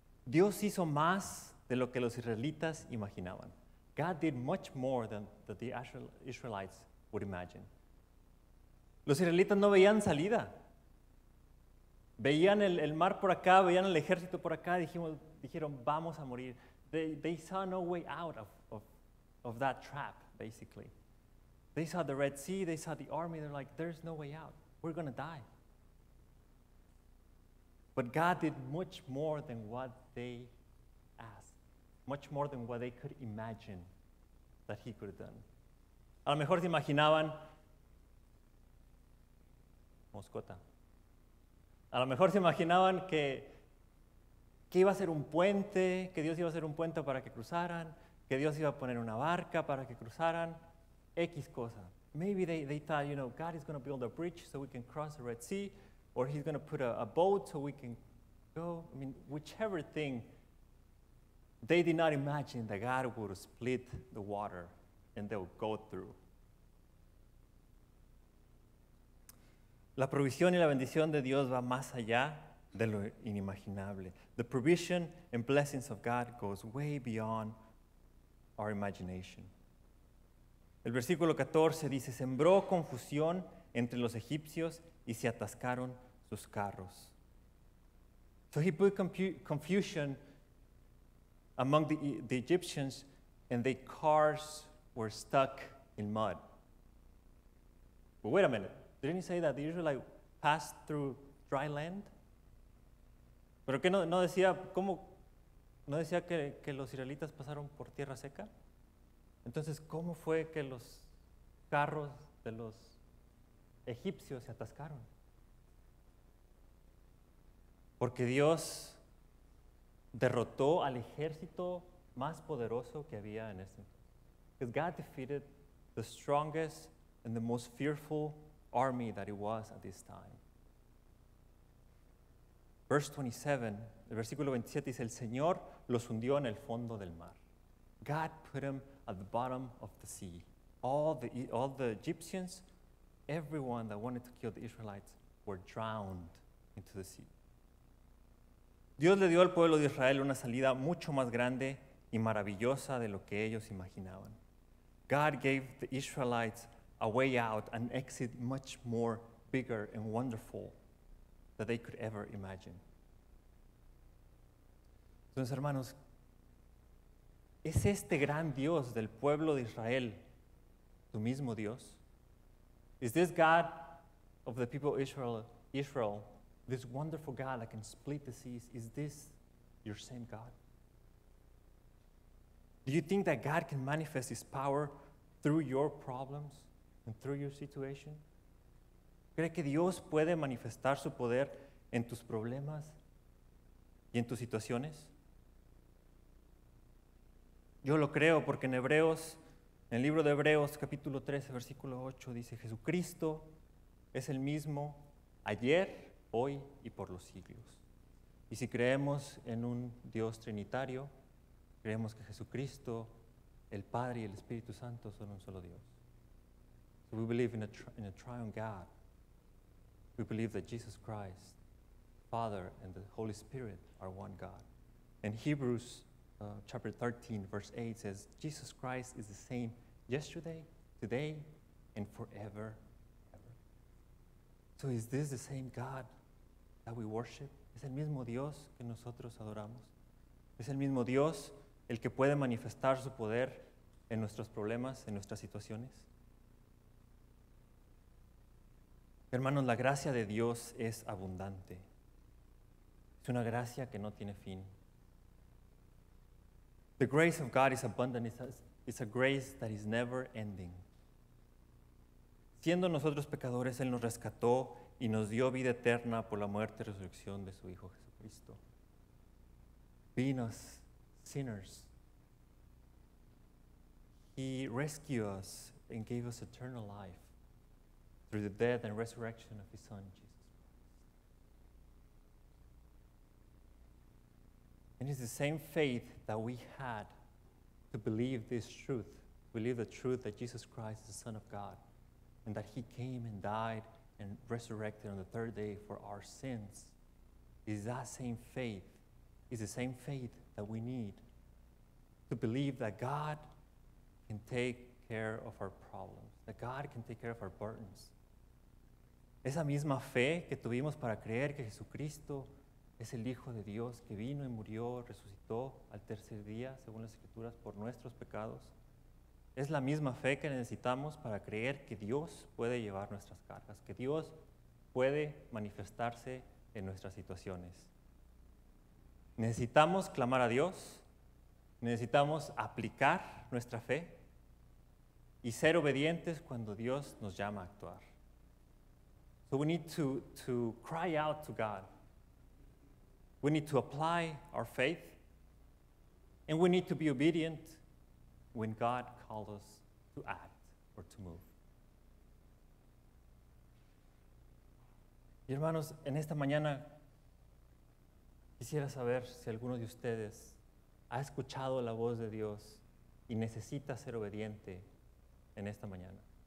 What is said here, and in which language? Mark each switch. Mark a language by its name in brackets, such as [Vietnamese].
[Spanish] Dios hizo más de lo que los israelitas imaginaban. [English] God did much more than that the Israelites would imagine. [Spanish] Los israelitas no veían salida. Veían el mar por acá, veían el ejército por acá, dijeron, vamos a morir. [English] They saw no way out of that trap, basically. They saw the Red Sea, they saw the army, they're like, there's no way out. We're going to die. But God did much more than what they asked, much more than what they could imagine that he could have done. [Spanish] A lo mejor se imaginaban, Moscota. A lo mejor se imaginaban que iba a ser un puente, que Dios iba a hacer un puente para que cruzaran, que Dios iba a poner una barca para que cruzaran X cosa. [English] Maybe they thought, you know, God is going to build a bridge so we can cross the Red Sea, or he's going to put a boat so we can go. I mean, whichever thing, they did not imagine that God would split the water and they would go through. [Spanish] La provisión y la bendición de Dios va más allá de lo inimaginable. [English] The provision and blessings of God goes way beyond our imagination. [Spanish] El versículo 14 dice, sembró confusión entre los egipcios y se atascaron sus carros. [English] So he put confusion among the Egyptians and their cars were stuck in mud. But wait a minute. Didn't he say that the Israelites passed through dry land? [Spanish] ¿Pero qué no decía, cómo, no decía que los israelitas pasaron por tierra seca? Entonces, ¿cómo fue que los carros de los egipcios se atascaron? Porque Dios derrotó al ejército más poderoso que había en este momento. [English] Because God defeated the strongest and the most fearful army that it was at this time. Verse 27, [Spanish] el versículo 27 dice, el Señor los hundió en el fondo del mar. [English] God put them at the bottom of the sea. All the Egyptians, everyone that wanted to kill the Israelites, were drowned into the sea. [Spanish] Dios le dio al pueblo de Israel una salida mucho más grande y maravillosa de lo que ellos imaginaban. [English] God gave the Israelites a way out, an exit much more bigger and wonderful than they could ever imagine. [Spanish] Entonces, hermanos, ¿es este gran Dios del pueblo de Israel tu mismo Dios? [English] Is this God of the people of Israel, this wonderful God that can split the seas, is this your same God? Do you think that God can manifest his power through your problems? And through your situation? [Spanish] ¿Cree que Dios puede manifestar su poder en tus problemas y en tus situaciones? Yo lo creo porque en Hebreos, en el libro de Hebreos, capítulo 13, versículo 8, dice, Jesucristo es el mismo ayer, hoy y por los siglos. Y si creemos en un Dios trinitario, creemos que Jesucristo, el Padre y el Espíritu Santo son un solo Dios. [English] We believe in a triune God. We believe that Jesus Christ, Father, and the Holy Spirit are one God. And Hebrews chapter 13, verse 8 says, Jesus Christ is the same yesterday, today, and forever. So is this the same God that we worship? [Spanish] ¿Es el mismo Dios que nosotros adoramos? ¿Es el mismo Dios el que puede manifestar su poder en nuestros problemas, en nuestras situaciones? Hermanos, la gracia de Dios es abundante. Es una gracia que no tiene fin. [English] The grace of God is abundant. It's a grace that is never ending. [Spanish] Siendo nosotros pecadores, Él nos rescató y nos dio vida eterna por la muerte y resurrección de su Hijo Jesucristo. [English] Being us sinners, He rescued us and gave us eternal life through the death and resurrection of his son, Jesus Christ. And it's the same faith that we had to believe this truth, believe the truth that Jesus Christ is the Son of God, and that he came and died and resurrected on the third day for our sins. It's the same faith that we need to believe that God can take care of our problems, that God can take care of our burdens. [Spanish] Esa misma fe que tuvimos para creer que Jesucristo es el Hijo de Dios que vino y murió, resucitó al tercer día, según las Escrituras, por nuestros pecados, es la misma fe que necesitamos para creer que Dios puede llevar nuestras cargas, que Dios puede manifestarse en nuestras situaciones. Necesitamos clamar a Dios, necesitamos aplicar nuestra fe y ser obedientes cuando Dios nos llama a actuar. [English] So we need to cry out to God. We need to apply our faith. And we need to be obedient when God calls us to act or to move. [Spanish] Y hermanos, en esta mañana quisiera saber si alguno de ustedes ha escuchado la voz de Dios y necesita ser obediente en esta mañana.